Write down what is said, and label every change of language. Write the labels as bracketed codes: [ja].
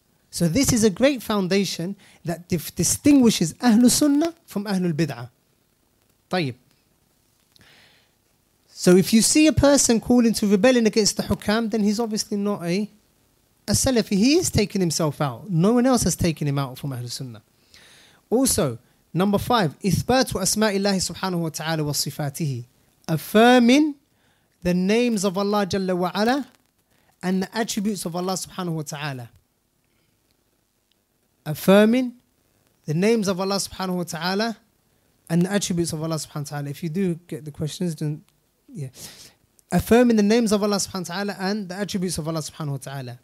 [en] So this is a great foundation that distinguishes Ahlul Sunnah from Ahlul Bid'ah. Tayyib. So if you see a person calling to rebelling against the hukam, then he's obviously not a Salafi. He is taking himself out. No one else has taken him out from Ahlul Sunnah. Also, number five, [ar] إثبات أسماء الله سبحانه وتعالى وصفاته. [en] Affirming the names of Allah [ar] جل وعلا [en] and the attributes of Allah [ar] سبحانه وتعالى. [en] Affirming the names of Allah [ar] سبحانه وتعالى [en] and the attributes of Allah سبحانه وتعالى. If you do get the questions, then yeah. Affirming the names of Allah [ar] سبحانه وتعالى [en] and the attributes of Allah سبحانه وتعالى.